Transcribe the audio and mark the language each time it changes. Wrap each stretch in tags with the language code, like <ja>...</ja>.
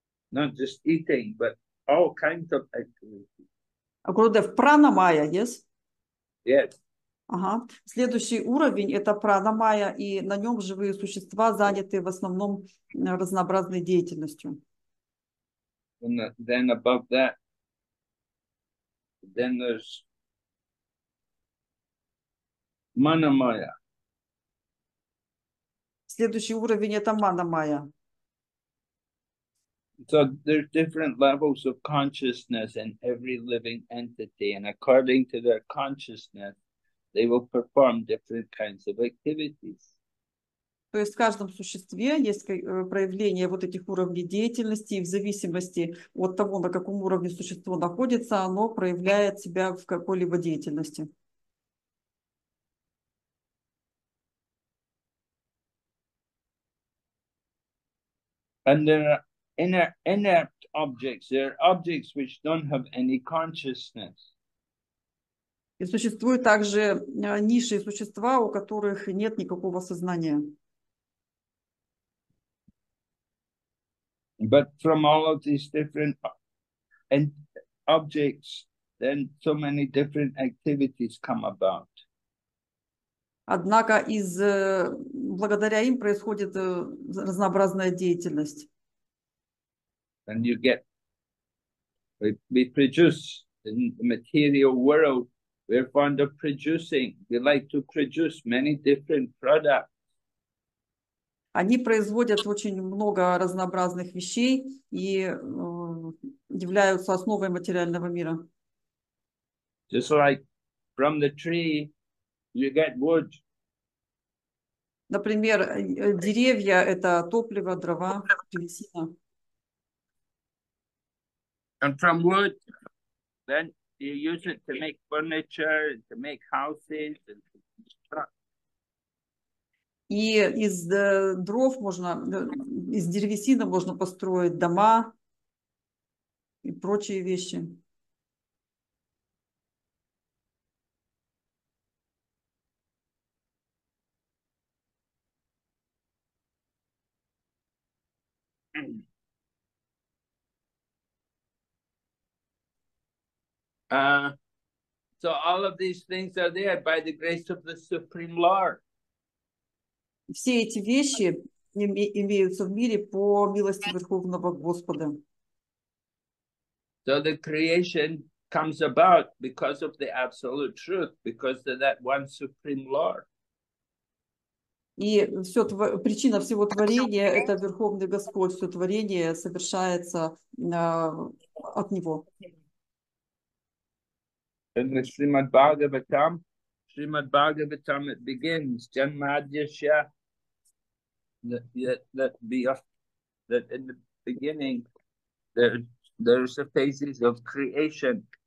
<en>Not just eating, but all kinds of activity.</en> <ru>Акруда в пранамая,</ru> <en>yes? Yes. Ага.</en> <ru>Следующий уровень – это пранамая, и на нем живые существа заняты в основном разнообразной деятельностью.</ru> <en>And then above that, then there's manamaya.</en> <ru>Следующий уровень – это манамая.</ru> <en>So there's different levels of consciousness in every living entity, and according to their consciousness, they will perform different kinds of activities.</en> <ru>То есть в каждом существе есть проявление вот этих уровней деятельности, и в зависимости от того, на каком уровне существо находится, оно проявляет себя в какой-либо деятельности.</ru> <en>And inert objects. There are objects which don't have any consciousness.</en> <ru>И существуют также низшие существа, у которых нет никакого сознания.</ru> <en>But from all of these different objects, then so many different activities come about.</en> <ru>Однако из благодаря им происходит разнообразная деятельность.</ru> <en>And you get, we produce in the material world, we're fond of producing, we like to produce many different products.</en> <ru>Они производят очень много разнообразных вещей и являются основой материального мира.</ru> <en>Just like from the tree, you get wood.</en> <ru>Например, деревья – это топливо, дрова, древесина.</ru> <en>And from wood, then you use it to make furniture, to make houses, and to construct.</en> <ru>И из дров можно, из древесины можно построить дома и прочие вещи.</ru> <en>So all of these things are there by the grace of the Supreme Lord.</en> <ru>Все эти вещи имеются в мире по милости Верховного Господа.</ru> <en>So the creation comes about because of the absolute truth, because of that one Supreme Lord.</en> <ru>И все причина всего творения – это Верховный Господь. Все творение совершается от Него.</ru> <en>In the Srimad Bhagavatam, Srimad Bhagavatam, it begins, Janmadyasya, that in the beginning, there's the phases of creation.</en>